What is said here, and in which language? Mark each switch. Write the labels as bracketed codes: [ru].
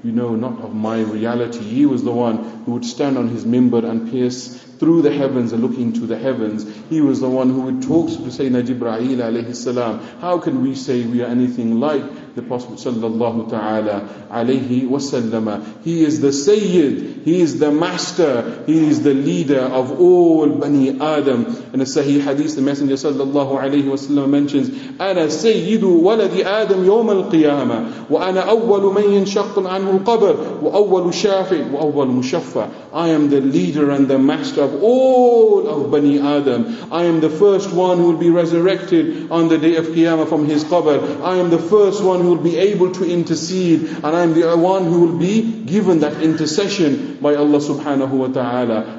[en] You know not of my reality. He was the one who would stand on his minbar and pierce through the heavens and looking to the heavens. He was the one who would talk to Sayyidina Jibreel alayhi salam. How can we say we are anything like the Prophet sallallahu ta'ala alayhi wa sallama. He is the Sayyid, he is the master, he is the leader of all Bani Adam. In a Sahih hadith, the Messenger sallallahu alayhi wa sallam mentions, [ar] أنا سيد ولد آدم يوم القيامة وأنا أول من ينشق عنه القبر وأول شافع وأول مشفع. [en] I am the leader and the master of all of Bani Adam. I am the first one who will be resurrected on the day of Qiyamah from his qabr. I am the first one who will be able to intercede, and I am the one who will be given that intercession by Allah subhanahu wa ta'ala.